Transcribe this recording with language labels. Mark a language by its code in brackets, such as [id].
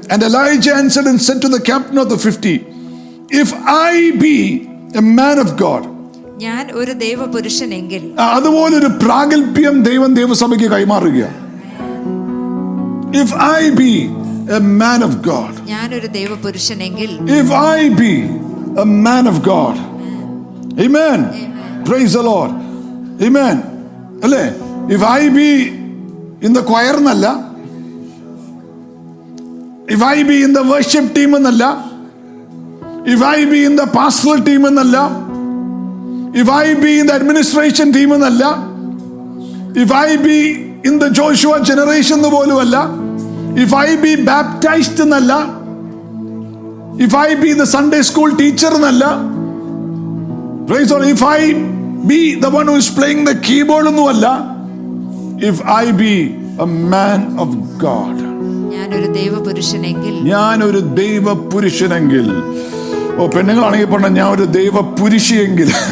[en] And Elijah answered and said to the captain of the 50, If I be a man of God, [ml] ഞാൻ ഒരു ദൈവപുരുഷനെങ്കിൽ. അതുപോലെ ഒരു പ്രാഗൽഭ്യം ദൈവം ദൈവസഭയ്ക്ക് കൈമാറുക. [en] If I be a man of God, [ml] ഞാൻ ഒരു ദൈവപുരുഷനെങ്കിൽ. [en] If I be a man of God. Amen. Praise the Lord. Amen. [ml] അല്ലേ? [en] If I be in the choir nalla, if I be in the worship team nalla, if I be in the pastoral team nalla, If I be in the administration team, if I be in the Joshua generation, if I be baptized, if I be the Sunday school teacher, praise the Lord, if I be the one who is playing the keyboard, if I be a man of God, [ml] ഞാൻ ഒരു ദൈവ പുരുഷനെങ്കിൽ ഓ പെണ്ണുങ്ങളാണെങ്കിൽ പറഞ്ഞ ഞാൻ ഒരു ദൈവപുരുഷിയെങ്കിൽ